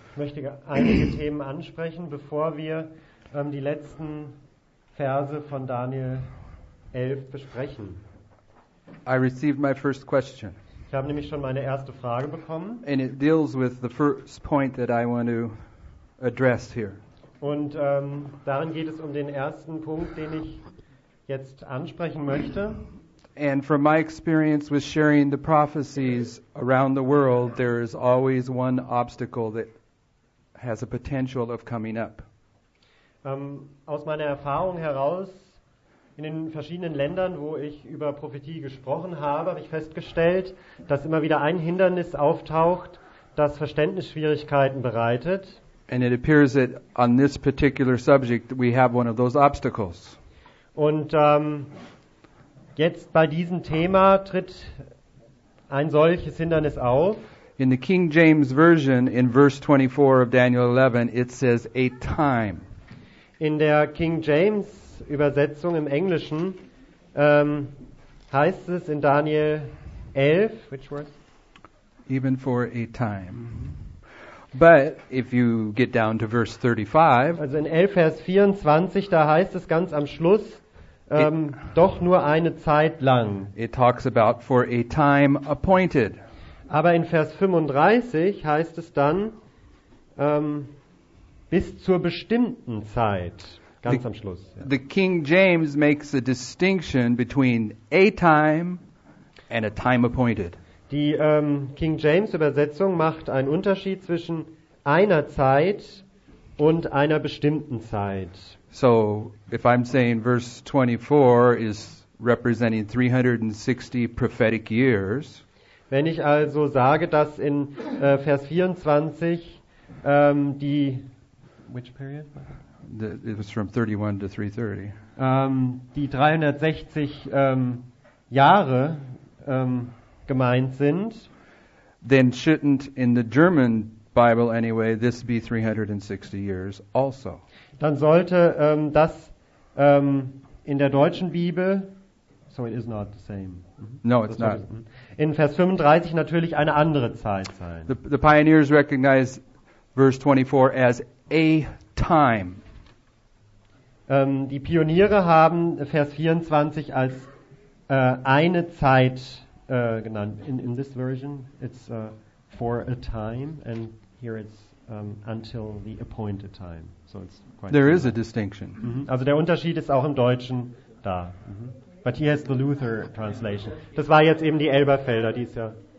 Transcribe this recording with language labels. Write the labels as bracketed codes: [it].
[de] Ich möchte einige Themen ansprechen, bevor wir die letzten Verse von Daniel 11 besprechen. [en] I received my first question. [de] Ich habe nämlich schon meine erste Frage bekommen. [en] And it deals with the first point that I want to address here. [de] Und darin geht es um den ersten Punkt, den ich jetzt ansprechen möchte. [en] And from my experience with sharing the prophecies around the world, there is always one obstacle that has a potential of coming up. [de] Aus meiner Erfahrung heraus, in den verschiedenen Ländern, wo ich über Prophetie gesprochen habe, habe ich festgestellt, dass immer wieder ein Hindernis auftaucht, das Verständnisschwierigkeiten bereitet. [en] And it appears that on this particular subject we have one of those obstacles. [de] Und jetzt bei diesem Thema tritt ein solches Hindernis auf. [en] In the King James Version in verse 24 of Daniel 11 it says a time. [de] In der King James Übersetzung im Englischen heißt es in Daniel 11, [en] which verse? Even for a time. But if you get down to verse 35, [de] also in 11 Vers 24, da heißt es ganz am Schluss, doch nur eine Zeit lang. [en] It talks about for a time appointed. [de] Aber in Vers 35 heißt es dann, bis zur bestimmten Zeit, ganz am Schluss. [en] Ja. The King James makes a distinction between a time and a time appointed. [de] Die King James Übersetzung macht einen Unterschied zwischen einer Zeit und einer bestimmten Zeit. [en] So, if I'm saying verse 24 is representing 360 prophetic years. [de] Wenn ich also sage, dass in Vers 24 die [en] which period? It was from 31 to 330. [de] Die 360 Jahre gemeint sind, [en] then shouldn't in the German Bible anyway this be 360 years also. [de] Dann sollte das in der deutschen Bibel, [en] so it is not the same. No, it's not. [de] In Vers 35 natürlich eine andere Zeit sein. [en] The pioneers recognize verse 24 as a time. [de] Die Pioniere haben Vers 24 als eine Zeit genannt. [en] In this version, it's for a time, and here it's until the appointed time. So it's quite. There similar. Is a distinction. Mm-hmm. [de] Also der Unterschied ist auch im Deutschen da. Mm-hmm. [en] But here is the Luther translation. [de] Das war jetzt eben die Elberfelder, die ist ja.